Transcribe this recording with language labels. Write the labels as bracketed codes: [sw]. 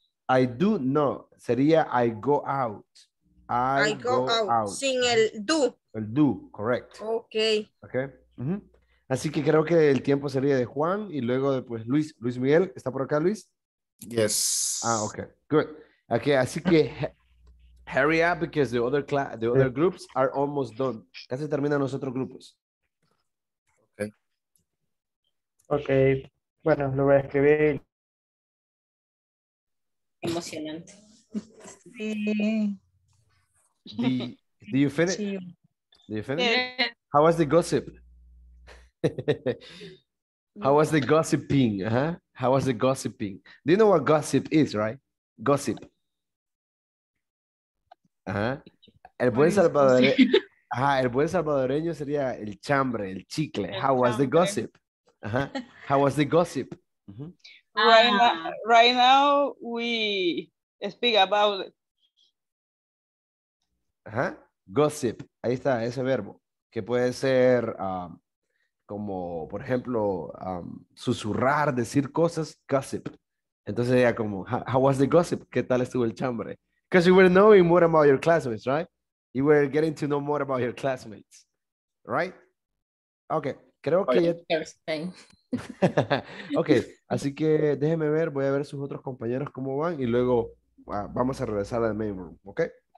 [en] I do, [es] no, sería [en] I go out. I go out. [es] Sin el do. El do, correct. Ok. Ok. Uh-huh. Así que creo que el tiempo sería de Juan y luego de pues, Luis Miguel. ¿Está por acá, Luis? [en] Yes. Ah, ok, good. Ok, [es] así que... [en] Hurry up because the other groups are almost done. [es] Casi terminan los otros grupos. Okay. Okay. Bueno, lo voy a escribir. Emocionante. [en] Sí. Do you finish? Sí. Do you finish? Yeah. How was the gossip? How was the gossiping? Huh? How was the gossiping? Do you know what gossip is, right? Gossip. [es] El buen salvadoreño, ajá, el buen salvadoreño sería el chambre, el chicle. [en] El How was the gossip? Ajá. How was the gossip? Uh-huh. Right now we speak about it. Ajá. Gossip. [es] Ahí está ese verbo que puede ser como por ejemplo susurrar, decir cosas, gossip. Entonces sería como [en] how was the gossip? [es] ¿Qué tal estuvo el chambre? [en] Because you were knowing more about your classmates, right? You were getting to know more about your classmates, right? [es] Okay, creo que ya... Okay, así que déjeme ver, voy a ver sus otros compañeros cómo van y luego vamos a regresar al main room, ¿okay?